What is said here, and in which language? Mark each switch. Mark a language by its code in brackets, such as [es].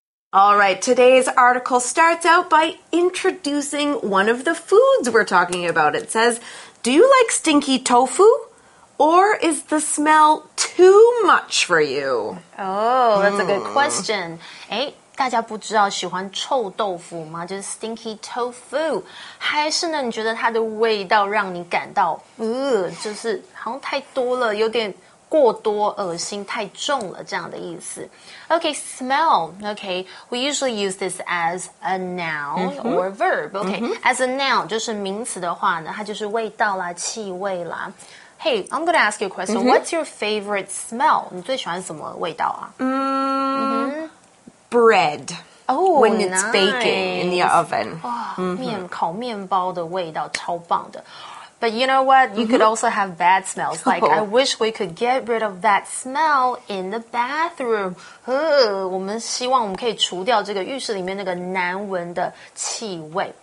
[en] All right, today's article starts out by introducing one of the foods we're talking about. It says, do you like stinky tofu? Or is the smell too much for you? Oh, that's a good question. Hey. [zh] 大家不知道喜欢臭豆腐吗？就是 stinky tofu， 还是呢？你觉得它的味道让你感到，就是好像太多了，有点过多，恶心，太重了这样的意思 ？ [en] Okay, smell. Okay, we usually use this as a noun or verb. Okay, as a noun [zh] 就是名词的话呢，它就是味道啦，气味啦。 [en] Hey, I'm going to ask you a question. What's your favorite smell? [zh] 你最喜欢什么味道啊？ [en] Bread. Oh, when it's baking in the oven. [zh] Oh, 面烤面包的味道超棒的。 [en] But you know what? You could also have bad smells. Like, I wish we could get rid of that smell in the bathroom. [zh] 我们希望我们可以除掉这个浴室里面那个难闻的气味。